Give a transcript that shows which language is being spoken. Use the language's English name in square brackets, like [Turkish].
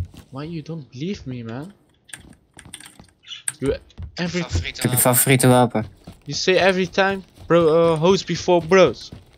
[English] Why you don't believe me, man? [Dutch] Ik heb je favoriete wapen. [English] You say every time, bro, host before bros.